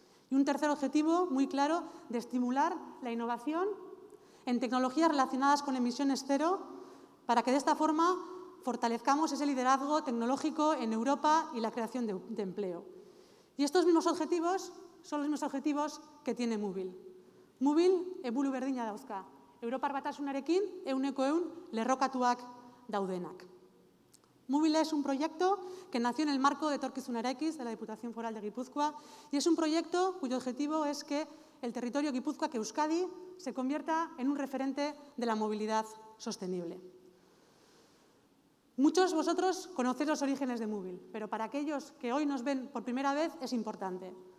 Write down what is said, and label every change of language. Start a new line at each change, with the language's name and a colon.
Spanish: Y un tercer objetivo muy claro de estimular la innovación en tecnologías relacionadas con emisiones cero para que de esta forma fortalezcamos ese liderazgo tecnológico en Europa y la creación de empleo. Y estos mismos objetivos son los mismos objetivos que tiene Mubil.
Basque: Mubil, eburu berdina dauzka. Europar batasunarekin, 100% lerrokatuak daudenak.
Spanish: Mubil es un proyecto que nació en el marco de Etorkizunera X de la Diputación Foral de Guipúzcoa y es un proyecto cuyo objetivo es que el territorio guipúzcoa, que Euskadi, se convierta en un referente de la movilidad sostenible. Muchos de vosotros conocéis los orígenes de Mubil, pero para aquellos que hoy nos ven por primera vez es importante.